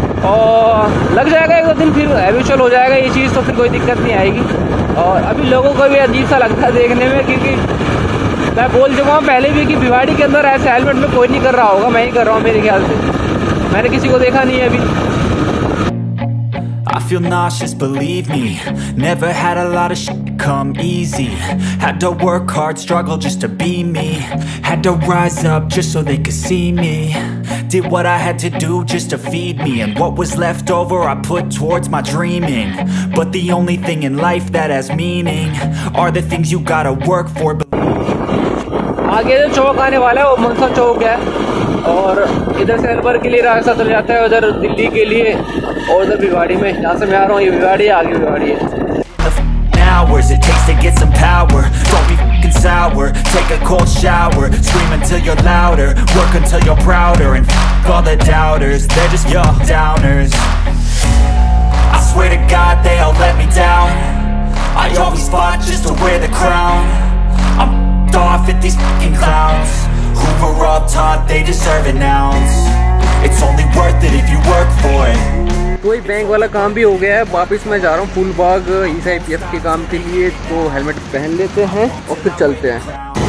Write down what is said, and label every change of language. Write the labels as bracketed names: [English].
[Hindi] और लग जाएगा एक दो दिन फिर हैबिचुअल हो जाएगा ये चीज़, तो फिर कोई दिक्कत नहीं आएगी। और अभी लोगों को भी अजीब सा लगता है देखने में, क्योंकि मैं बोल चुका हूँ पहले भी कि भिवाड़ी के अंदर ऐसे हेलमेट में कोई नहीं कर रहा होगा, मैं ही कर रहा हूँ मेरे ख्याल से, मैंने किसी को देखा नहीं है अभी। [English] I feel nauseous, believe me. Never had a lot of shit come easy. Had to work hard, struggle just to be me. Had to rise up just so they could see me. Did what I had to do just to feed me. And what was left over I put towards my dreaming. But the only thing in life that has meaning are the things you gotta work for. [Hindi] आगे जो चौक आने वाला है वो मनसा चौक है, और इधर से अलवर के लिए रास्ता चल जाता है उधर दिल्ली के लिए, और उधर भिवाड़ी में जहाँ से मैं आ रहा हूँ ये भिवाड़ी है, आगे भिवाड़ी है। [English] Hours it takes to get some power. Don't be f***ing sour. Take a cold shower. Scream until you're louder. Work until you're prouder. And f*** all the doubters. They're just your downers. I swear to God they all let me down. I always fought just to wear the crown. I'm f***ed off at these f***ing clowns. Hoover up top, they deserve an ounce. It's only worth it if you work for it. [Hindi] वही bank वाला काम भी हो गया है, वापस मैं जा रहा हूँ फूलबाग ईसआईपीएफ के काम के लिए। तो हेलमेट पहन लेते हैं और फिर चलते हैं।